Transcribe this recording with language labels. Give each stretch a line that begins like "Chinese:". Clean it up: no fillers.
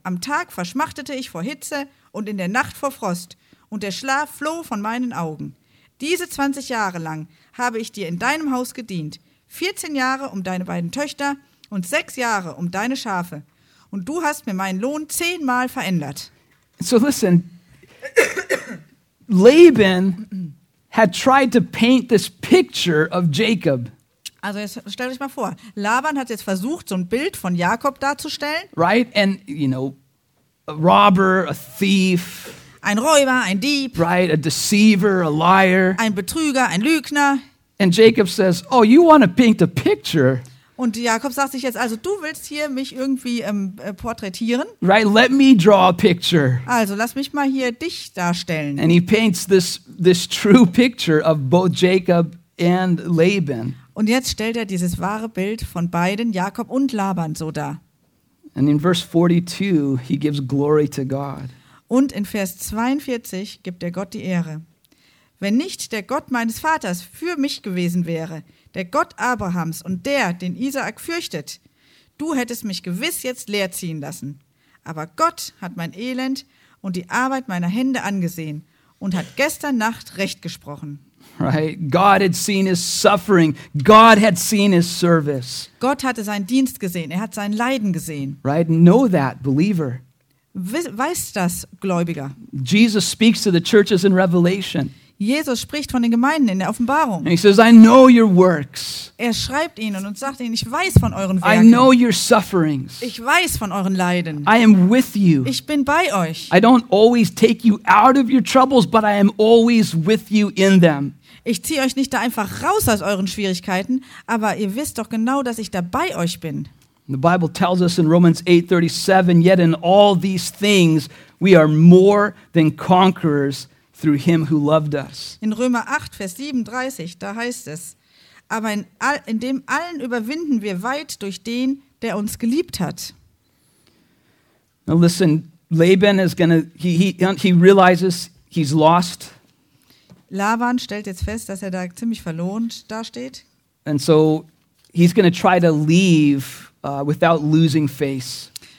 German: Am Tag verschmachtete ich vor Hitze und in der Nacht vor Frost, und der Schlaf floh von meinen Augen. Diese 20 Jahre lang habe ich dir in deinem Haus gedient, 14 Jahre um deine beiden Töchter und 6 Jahre um deine Schafe. Und du hast mir meinen Lohn 10-mal verändert.
English: So listen, Laban had tried to paint this picture of Jacob.
German: Also jetzt stell dich mal vor, Laban hat jetzt versucht, so ein Bild von Jakob darzustellen.
English: Right, and you know, a robber, a thief.
German: Ein Räuber, ein Dieb.
English: Right, a deceiver, a liar.
German: Ein Betrüger, ein Lügner.
English: And Jacob says, oh, you want to paint a picture.
German: Und Jakob sagt sich jetzt, also du willst hier mich irgendwie porträtieren.
English: Right, let me draw a picture.
German: Also lass mich mal hier dich darstellen.
English: And he paints this true picture of both Jacob and Laban.
German: Und jetzt stellt er dieses wahre Bild von beiden, Jakob und Laban, so dar.
English: And in verse 42 he gives glory to God.
German: Und in Vers 42 gibt er Gott die Ehre. Wenn nicht der Gott meines Vaters für mich gewesen wäre, der Gott Abrahams und der, den Isaak fürchtet, du hättest mich gewiss jetzt leer ziehen lassen. Aber Gott hat mein Elend und die Arbeit meiner Hände angesehen und hat gestern Nacht Recht gesprochen.
English: Right? God had seen his suffering. God had seen his service.
German: Gott hatte seinen Dienst gesehen. Er hat sein Leiden gesehen.
English: Right? Know that, believer.
German: Weiß das, Gläubiger.
English: Jesus speaks to the churches in Revelation.
German: Jesus spricht von den Gemeinden in der Offenbarung.
English: And he says, I know your works.
German: Er schreibt ihnen und sagt ihnen, ich weiß von euren Werken.
English: I know your sufferings.
German: Ich weiß von euren Leiden.
English: I am with you.
German: Ich bin bei euch.
English: I don't always take you out of your troubles, but I am always with you in them.
German: Ich ziehe euch nicht da einfach raus aus euren Schwierigkeiten, aber ihr wisst doch genau, dass ich da bei euch bin.
English: The Bible tells us in Romans 8:37, yet in all these things we are more than conquerors through him who loved us.
German: In Römer 8, Vers 37, da heißt es, aber in dem allen überwinden wir weit durch den, der uns geliebt hat.
English: Now listen, Laban is gonna, he realizes he's lost.
German: Laban stellt jetzt fest, dass er da ziemlich verloren dasteht.
English: And so he's gonna try to leave without losing face.